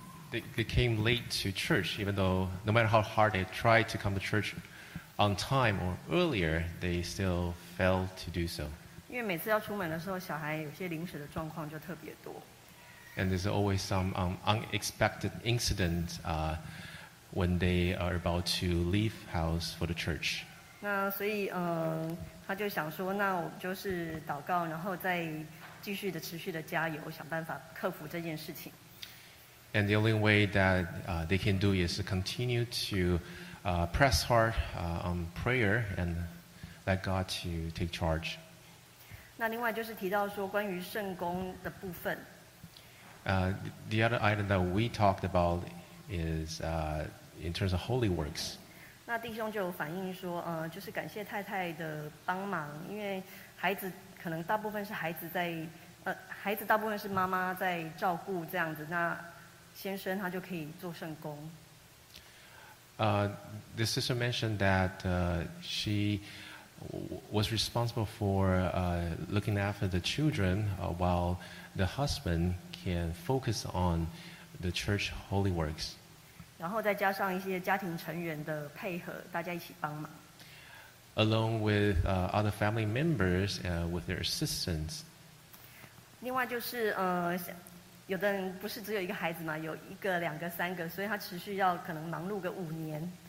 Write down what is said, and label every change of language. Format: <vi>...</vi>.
<en>they became late to church, even though no matter how hard they tried to come to church on time or earlier, they still failed to do so.</en> <zh>因为每次要出门的时候，小孩有些临时的状况就特别多。</zh> <en>And there's always some unexpected incident when they are about to leave house for the church.</en> <zh>那所以他就想说，那我就是祷告，然后再继续的持续的加油，想办法克服这件事情。</zh> <en>And the only way that they can do is to continue to press hard on prayer and let God to take charge.</en> <zh>那另外就是提到说关于圣工的部分。</zh> <en>The other item that we talked about is in terms of holy works.</en> <zh>那弟兄就有反映说，就是感谢太太的帮忙，因为孩子可能大部分是孩子在，孩子大部分是妈妈在照顾这样子，那先生他就可以做圣工。</zh> <en>The sister mentioned that she was responsible for looking after the children while the husband can focus on the church holy works.</en> <zh>然后再加上一些家庭成员的配合，大家一起帮忙。</zh> <en>Along with other family members with their assistance.</en> <zh>另外就是有的人不是只有一个孩子嘛，有一个、两个、三个，所以他持续要可能忙碌个五年。</zh>